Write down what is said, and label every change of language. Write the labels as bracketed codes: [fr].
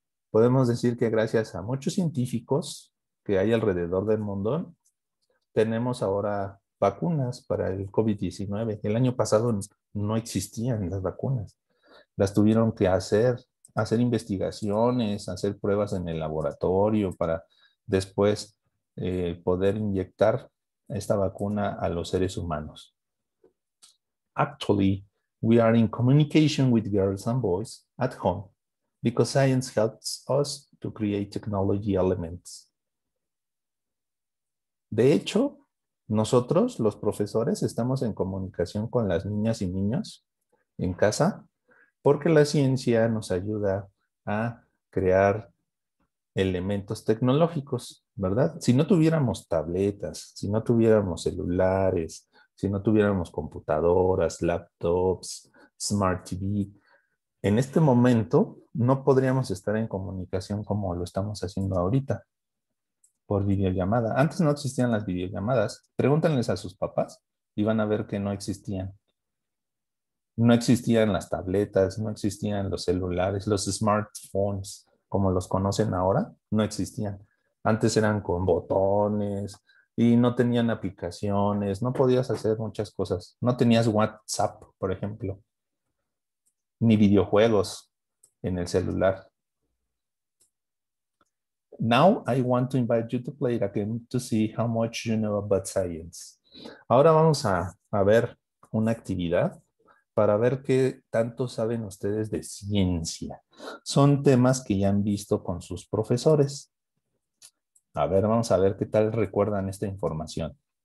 [es] Podemos decir que gracias a muchos científicos que hay alrededor del mundo, tenemos ahora vacunas para el COVID-19. El año pasado no existían las vacunas. Las tuvieron que hacer investigaciones, hacer pruebas en el laboratorio para después poder inyectar esta vacuna a los seres humanos. [en] Actually, we are in communication with girls and boys at home because science helps us to create technology elements. [es] De hecho, nosotros, los profesores, estamos en comunicación con las niñas y niños en casa porque la ciencia nos ayuda a crear elementos tecnológicos, ¿verdad? Si no tuviéramos tabletas, si no tuviéramos celulares, si no tuviéramos computadoras, laptops, smart TV, en este momento no podríamos estar en comunicación como lo estamos haciendo ahorita, por videollamada. Antes no existían las videollamadas. Pregúntenles a sus papás y van a ver que no existían. No existían las tabletas, no existían los celulares, los smartphones, como los conocen ahora, no existían. Antes eran con botones y no tenían aplicaciones, no podías hacer muchas cosas. No tenías WhatsApp, por ejemplo, ni videojuegos en el celular. [en] Now I want to invite you to play it again to see how much you know about science. [es] Ahora vamos a ver una actividad para ver qué tanto saben ustedes de ciencia. Son temas que ya han visto con sus profesores. A ver, vamos a ver qué tal recuerdan esta información.